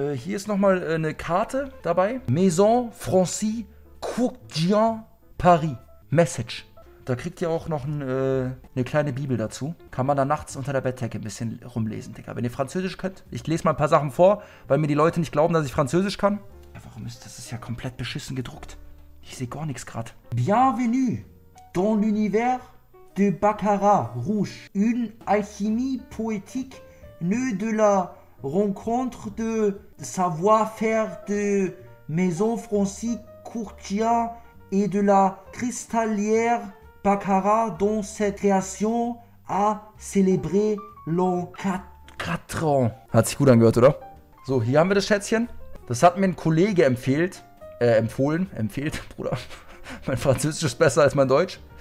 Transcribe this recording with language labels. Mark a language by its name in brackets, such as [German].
[German] Hier ist nochmal eine Karte dabei. Maison Francis Courtian Paris. Message. Da kriegt ihr auch noch eine kleine Bibel dazu. Kann man da nachts unter der Bettdecke ein bisschen rumlesen, Digga. Wenn ihr Französisch könnt. Ich lese mal ein paar Sachen vor, weil mir die Leute nicht glauben, dass ich Französisch kann. Ja, warum ist das? Das ist ja komplett beschissen gedruckt. Ich sehe gar nichts gerade. [French] Bienvenue. Dans l'univers de Baccarat Rouge, une alchimie poétique née de la rencontre de savoir-faire de Maison Francis Courtian et de la cristallière Baccarat dont cette création a célébré l'an 4 ans. [German] Hat sich gut angehört, oder? So, hier haben wir das Schätzchen. Das hat mir ein Kollege empfohlen, Bruder. Mein Französisch ist besser als mein Deutsch.